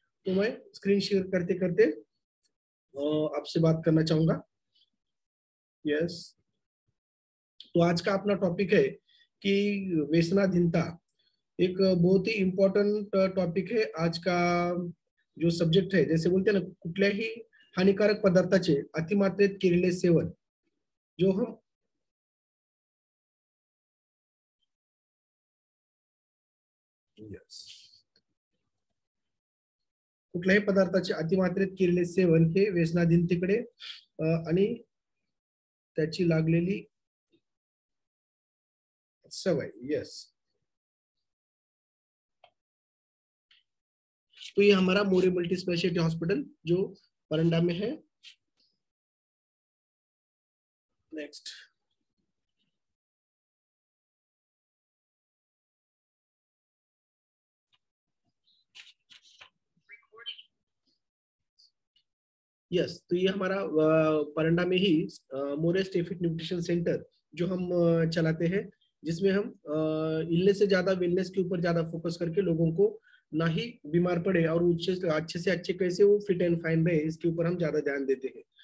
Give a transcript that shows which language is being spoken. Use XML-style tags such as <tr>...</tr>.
<hi>तो मैं screen share करते करते आपसे बात करना चाहूंगा। यस, तो आज का अपना टॉपिक है कि व्यसनाधीनता, एक बहुत ही इम्पोर्टेंट टॉपिक है आज का जो सब्जेक्ट है। जैसे बोलते हैं ना,</hi> <mr>कुठल्याही हानिकारक पदार्थाचे अतिमात्रेत केलेले सेवन जो हम कुठल्याही पदार्थाचे अतिमात्रेत केलेले सेवन हे व्यसनाधीनतेकडे आणि त्याची लागलेली सवय।</mr> <hi>यस, तो ये हमारा मोरे मल्टी स्पेशलिटी हॉस्पिटल जो परंडा में है। नेक्स्ट, यस, तो ये हमारा परंडा में ही मोरे स्टेफिट न्यूट्रिशन सेंटर जो हम चलाते हैं, जिसमें हम इलनेस से ज्यादा वेलनेस के ऊपर ज्यादा फोकस करके लोगों को ना ही बीमार पड़े और अच्छे से अच्छे कैसे वो फिट एंड फाइन रहे, इसके ऊपर हम ज्यादा ध्यान देते हैं।</hi>